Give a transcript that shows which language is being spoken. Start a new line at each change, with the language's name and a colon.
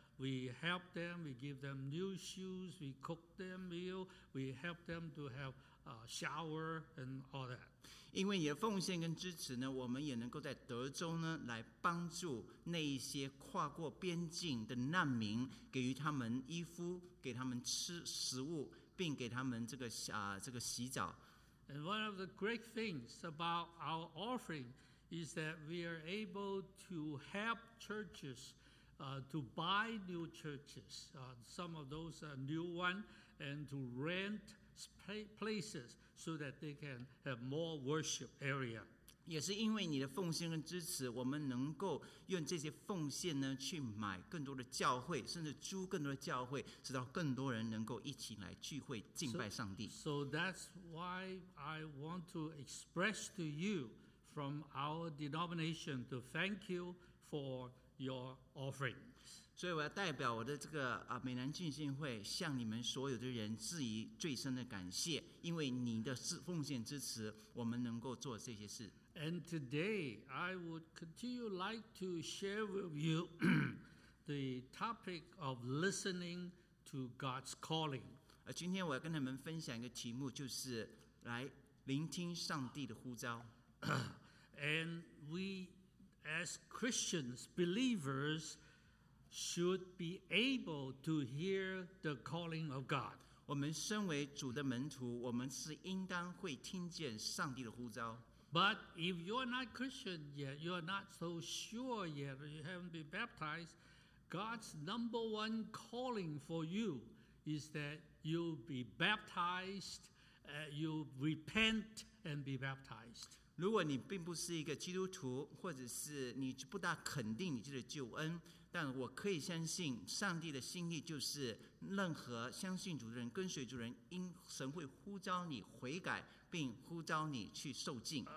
English: We help them. We give them new shoes. We cook them meal. We help them to have shower and all that.
Chinese: 因为你的奉献跟支持呢，我们也能够在德州呢来帮助那一些跨过边境的难民，给予他们衣服，给他们吃食物，并给他们这个洗澡。
English: And one of the great things about our offering is that we are able to help churches to buy new churches, some of those are new ones, and to rent places so that they can have more worship area.
Chinese: 也是因为你的奉献跟支持，我们能够用这些奉献呢去买更多的教会，甚至租更多的教会，直到更多人能够一起来聚会敬拜上帝。
English: So that's why I want to express to you from our denomination to thank you for your offering.
Chinese: 所以我要代表我的这个美南浸信会向你们所有的人致以最深的感谢，因为你的奉献支持，我们能够做这些事。
English: And today, I would continue like to share with you the topic of listening to God's calling.
Chinese: 今天我要跟你们分享一个题目，就是来聆听上帝的呼召。
English: And we, as Christians, believers, should be able to hear the calling of God.
Chinese: 我们身为主的门徒，我们是应当会听见上帝的呼召。
English: But if you are not Christian yet, you are not so sure yet, you haven't been baptized, God's number one calling for you is that you be baptized, you repent and be baptized.
Chinese: 如果你并不是一个基督徒，或者是你不大肯定你的救恩，但我可以相信上帝的心意就是任何相信主的人、跟随主的人，因神会呼召你悔改，并呼召你去受浸。